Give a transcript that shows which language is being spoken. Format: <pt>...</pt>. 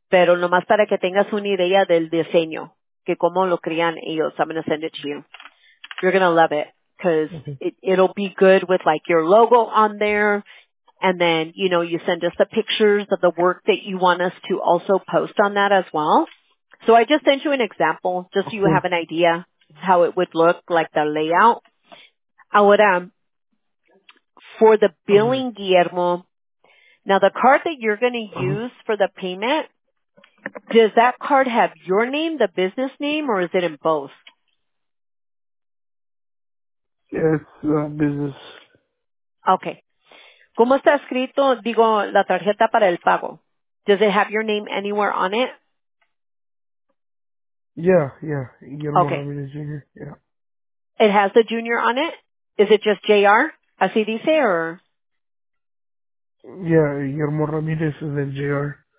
<es>Pero nomás para que tengas una idea del diseño, que cómo lo crean ellos.</es> <en>I'm going to send it to you. You're going to love it. Because it'll be good with, like, your logo on there. And then, you know, you send us the pictures of the work that you want us to also post on that as well. So I just sent you an example, just so you have an idea how it would look, like the layout. Ahora, for the billing, Guillermo, now the card that you're going to use for the payment, does that card have your name, the business name, or is it in both? Yes, business. Okay.</en> <es>¿Cómo está escrito, digo, la tarjeta para el pago?</es> <en>Does it have your name anywhere on it? Yeah. It has the junior on it? Is it just JR?</en> <es>Así dice, or?</es> <en>Yeah, Guillermo Ramirez and then JR.</en>